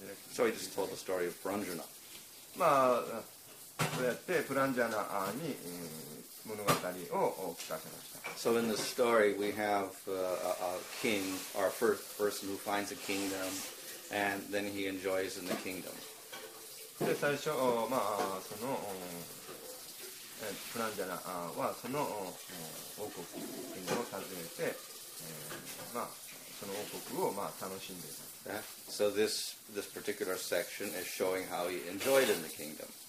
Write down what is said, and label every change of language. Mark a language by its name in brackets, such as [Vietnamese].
[English] So he just told the story of Paranjana. [Japanese] まあ、そうやってプランジャナに物語を聞かせました。 [English] So in the story we have a king, our first person who finds a kingdom, and then he enjoys in the kingdom. [Japanese] で最初、まあ、そのプランジャナはその王国を訪ねて、まあ、その王国を、まあ、楽しんでいた。 [English] Yeah. So this particular section is showing how he enjoyed in the kingdom.